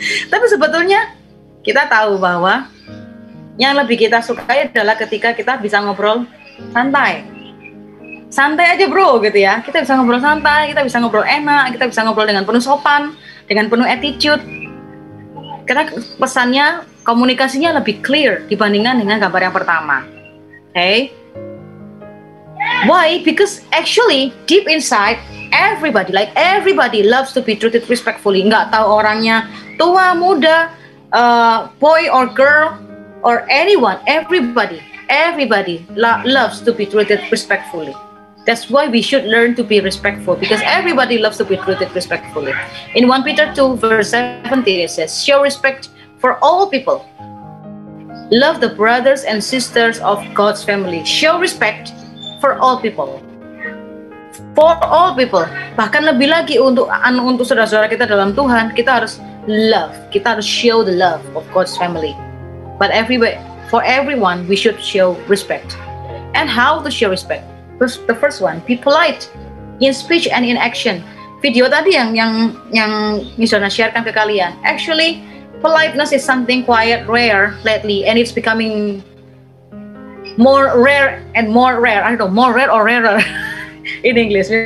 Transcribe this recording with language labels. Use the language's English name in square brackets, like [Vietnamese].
[Indonesian] Tapi sebetulnya, kita tahu bahwa yang lebih kita sukai adalah ketika kita bisa ngobrol santai. Santai aja bro gitu ya, kita bisa ngobrol santai, kita bisa ngobrol enak, kita bisa ngobrol dengan penuh sopan, dengan penuh attitude. Karena pesannya, komunikasinya lebih clear dibandingkan dengan gambar yang pertama. [English] Okay. Why? Because actually deep inside everybody loves to be treated respectfully. Nggak tahu orangnya tua, muda, boy or girl or anyone, everybody loves to be treated respectfully. That's why we should learn to be respectful, because everybody loves to be treated respectfully. In 1 Peter 2 verse 17 it says, show respect for all people. Love the brothers and sisters of God's family. Show respect for all people. For all people. [Indonesian] Bahkan lebih lagi untuk saudara-saudara kita dalam Tuhan, kita harus love. [English] Kita harus show the love of God's family. But for everyone, we should show respect. And how to show respect? The first one, be polite in speech and in action. [Indonesian] Video tadi yang misalnya sharekan ke kalian. [English] Actually, politeness is something quite rare lately, and it's becoming more rare and more rare. I don't know, more rare or rarer in English.